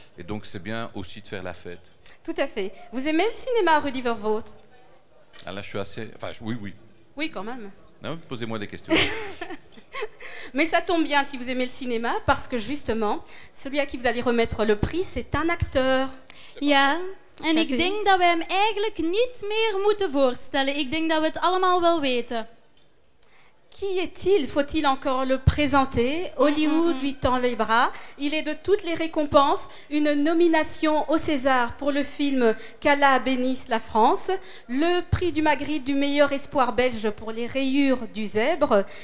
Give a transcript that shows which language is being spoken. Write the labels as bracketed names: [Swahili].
[French] Et donc, c'est bien aussi de faire la fête. Tout à fait. Vous aimez le cinéma, Rudy Vervoort? Ah là, je suis assez... Enfin, oui, oui. Oui, quand même. Non, posez-moi des questions. Mais ça tombe bien si vous aimez le cinéma, parce que justement, celui à qui vous allez remettre le prix, c'est un acteur. [Dutch] Ja, en ik denk dat we hem eigenlijk niet meer moeten voorstellen. Ik denk dat we het allemaal wel weten. [French] Q qui est-il? Faut-il encore le présenter? Hollywood lui tend les bras. Il est de toutes les récompenses. Une nomination au César pour le film Qu'Allah bénisse la France. Le prix du Magritte du meilleur espoir belge pour les rayures du zèbre.